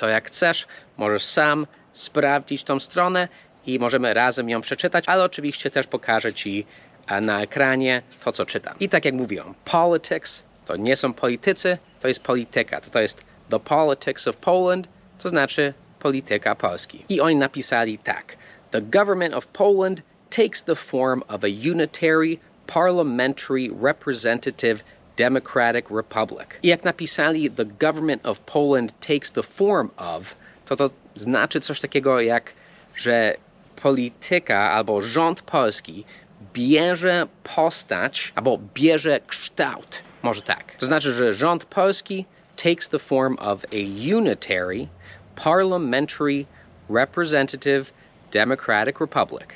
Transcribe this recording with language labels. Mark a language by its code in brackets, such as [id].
[pl] To jak chcesz, możesz sam sprawdzić tą stronę i możemy razem ją przeczytać, ale oczywiście też pokażę Ci na ekranie to, co czytam. I tak jak mówiłem, politics to nie są politycy, to jest polityka. To jest [en] the politics of Poland, [pl] to znaczy polityka Polski. I oni napisali tak. [en] The government of Poland takes the form of a unitary parliamentary representative Democratic Republic. [pl] I jak napisali, [en] the government of Poland takes the form of, [pl] to znaczy coś takiego jak, że polityka albo rząd polski bierze postać albo bierze kształt. Może tak. To znaczy, że rząd polski [en] takes the form of a unitary parliamentary representative Democratic Republic.